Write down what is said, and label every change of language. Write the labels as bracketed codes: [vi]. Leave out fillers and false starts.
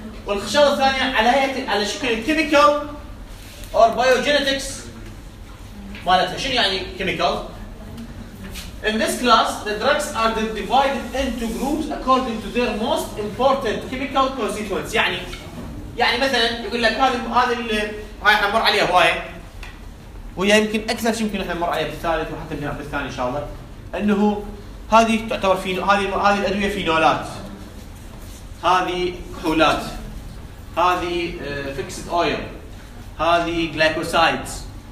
[ar] والخشبه الثانيه على هيئه على شكل الكيميكال اور بايوجينيتكس مالتها. شنو يعني كيميكال؟ [en] In this class, the drugs are divided into groups according to their most important chemical constituents. [ar] يعني مثلا يقول لك هذه هاي احنا نمر عليها هوايه وهي يمكن اكثر شيء يمكن احنا نمر عليها في الثالث وحتى في الرابع الثاني ان شاء الله انه هذه تعتبر هذه الادويه فينولات هذه كحولات هذه فيكسد اويل هذه جلايكوسايدز.